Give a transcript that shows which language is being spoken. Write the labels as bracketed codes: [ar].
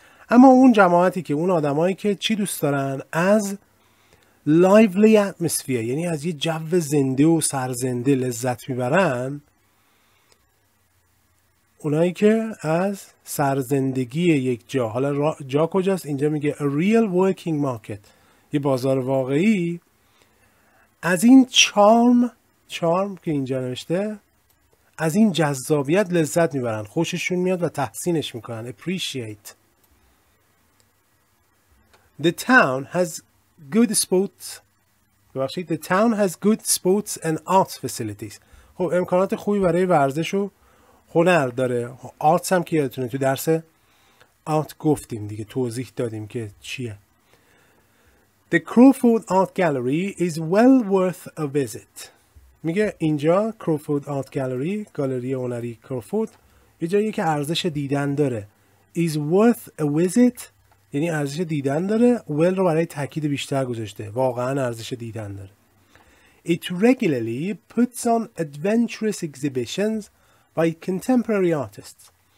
[fa] اما اون جماعتی که اون آدمایی که چی دوست دارن؟ از [en] lively atmosphere [fa] یعنی از یه جو زنده و سرزنده لذت میبرن، اونایی که از سرزندگی یک جا، حالا جا کجاست؟ اینجا میگه [en] a real working market، [fa] یه بازار واقعی، از این charm که اینجا نوشته، از این جذابیت لذت میبرن، خوششون میاد و تحسینش میکنن، appreciate. [en] The town has good sports and art facilities. [fa] خب امکانات خوبی برای ورزش و هنر داره. آرتس هم که یادتونه تو درس آرت گفتیم دیگه، توضیح دادیم که چیه. [en] The Crowfoot Art Gallery is well worth a visit. [fa] میگه اینجا Crowfoot Art Gallery، گالری هنری Crowfoot، یه جاییه که ارزش دیدن داره. [en] Is worth a visit [fa] یعنی ارزش دیدن داره. Well رو برای تاکید بیشتر گذاشته. واقعا ارزش دیدن داره. [en] It regularly puts on adventurous exhibitions by contemporary artists.